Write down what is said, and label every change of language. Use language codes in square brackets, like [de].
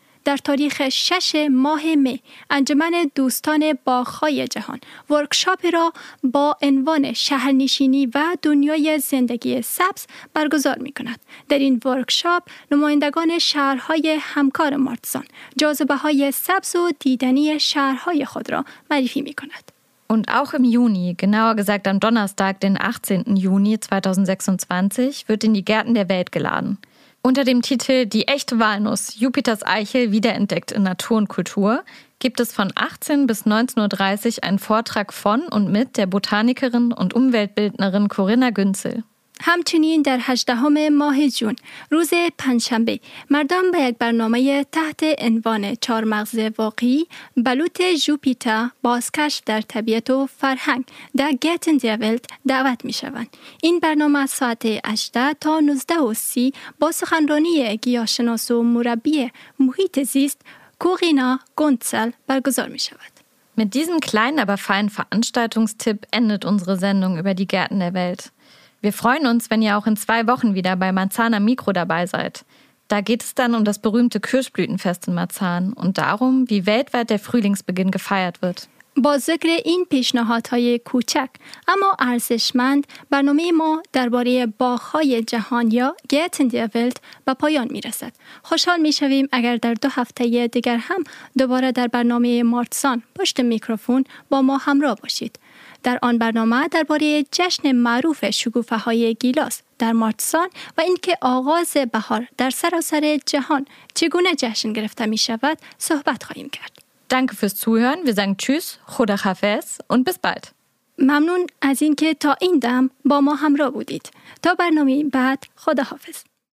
[fa] در تاریخ 6 ماه می، انجمن دوستان باغ‌های جهان ورکشاپ را با عنوان شهرنشینی و دنیای زندگی سبز برگزار می‌کند. در این ورکشاپ نمایندگان شهرهای همکار مارتسان جاذبه‌های سبز و دیدنی شهرهای خود را معرفی می‌کند. [de] Und auch im Juni, genauer gesagt am Donnerstag den 18. Juni 2026 wird in die Gärten der Welt geladen. Unter dem Titel Die echte Walnuss, Jupiters Eichel wiederentdeckt in Natur und Kultur, gibt es von 18 bis 19:30 Uhr einen Vortrag von und mit der Botanikerin und Umweltbildnerin Corinna Günzel. [fa] همچنین در 18 ماه جون، روز پنجشنبه، مردم به یک برنامه تحت عنوان چهار مغز واقعی، بلوط جوپیتر، بازکشف در طبیعت و فرهنگ در گتن دیولت دعوت می شوند. این برنامه ساعت 18 تا 19:30 با سخنرانی گیاهشناس و مربی محیط زیست کورینا گونسل برگزار می شود. [de] Mit diesem kleinen, aber feinen Veranstaltungstipp endet unsere Sendung über die Gärten der Welt. Wir freuen uns, wenn ihr auch in 2 Wochen wieder bei Marzahn am Mikro dabei seid. Da geht es dann um das berühmte Kirschblütenfest in Marzahn und darum, wie weltweit der Frühlingsbeginn gefeiert wird. [fa] با ذکر این پیشنهادهای کوچک اما ارزشمند برنامه ما درباره باغ‌های جهان یا Get in the Wild به پایان می‌رسد. خوشحال می‌شویم اگر در 2 هفته دیگر هم دوباره در برنامه مارتسان پشت میکروفون با ما همراه باشید. در آن برنامه درباره جشن معروف شکوفه‌های گیلاس در مارتسان و اینکه آغاز بهار در سراسر جهان چگونه جشن گرفته می‌شود صحبت خواهیم کرد. [de] Danke fürs Zuhören. Wir sagen Tschüss, [fa] Khuda Hafez [de] und bis bald. [fa] ممنون از اینکه تا این دم با ما همراه بودید. تا برنامه بعد خدا حافظ.